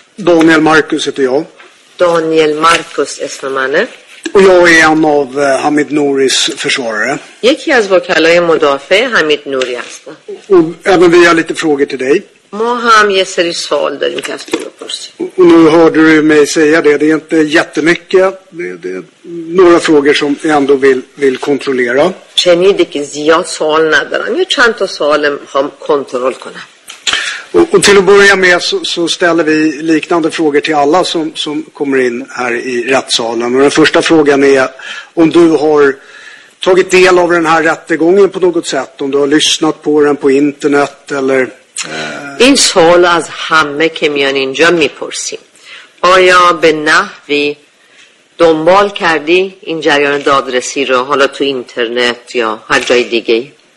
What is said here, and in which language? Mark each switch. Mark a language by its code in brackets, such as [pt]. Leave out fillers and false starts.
[sv] دانیل مارکوس heter jag. [fa] دانیل مارکوس اسم منه. [sv] و jag är en av Hamid Nouris försvarare. [fa] یکی از وکلای مدافع حمید نوری هستم. [sv] و även vi har lite frågor till dig. [fa] ما هم یه سری سوال داریم که از تو بپرسیم. [sv] و nu hörde du mig säga det. Det är inte jättemycket. Det är några frågor som jag ändå vill kontrollera. [fa] شنیدی که زیاد سوال ندارم. یه چند تا سوال هم کنترل کنم. [sv] Och till att börja med så ställer vi liknande frågor till alla som kommer in här i rättssalen. Och den första frågan är om du har tagit del av den här rättegången på något sätt. Om du har lyssnat på den på internet eller... [fa] این سوال از همه که میان اینجا میپرسیم. آیا به نحوی دنبال کردی این جریان دادرسی رو حالا تو اینترنت یا هر جای دیگه؟